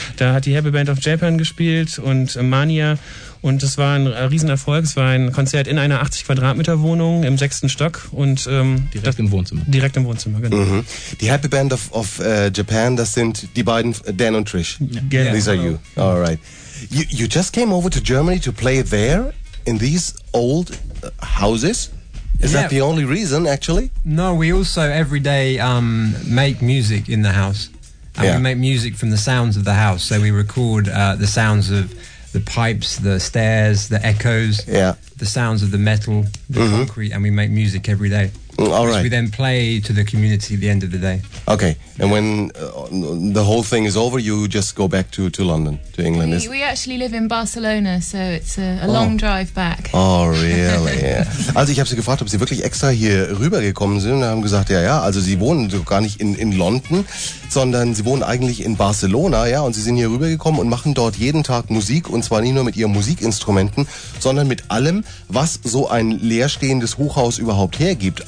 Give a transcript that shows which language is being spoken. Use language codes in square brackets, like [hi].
[de] Da hat die Herbe Band of Japan gespielt und Mania. Und es war ein Riesenerfolg. Es war ein Konzert in einer 80 Quadratmeter Wohnung im 6. Stock. Und, direkt im Wohnzimmer. Direkt im Wohnzimmer, genau. Mhm. Die Happy Band of Japan, das sind die beiden, Dan und Trish. [en] Yeah. Yeah. These are you. All right. You just came over to Germany to play there in these old houses? Is that the only reason, actually? No, we also every day make music in the house. And we make music from the sounds of the house. So we record the sounds of the pipes, the stairs, the echoes, the sounds of the metal, the concrete, and we make music every day. All right. We then play to the community at the end of the day. Okay. And when the whole thing is over, you just go back to London, to England? We actually live in Barcelona, so it's a long drive back. Oh, really? [de] Also ich habe sie gefragt, ob sie wirklich extra hier rübergekommen sind. Und haben gesagt, ja. Also sie wohnen doch gar nicht in London, sondern sie wohnen eigentlich in Barcelona, ja. Und sie sind hier rübergekommen und machen dort jeden Tag Musik. Und zwar nicht nur mit ihren Musikinstrumenten, sondern mit allem, was so ein leerstehendes Hochhaus überhaupt hergibt.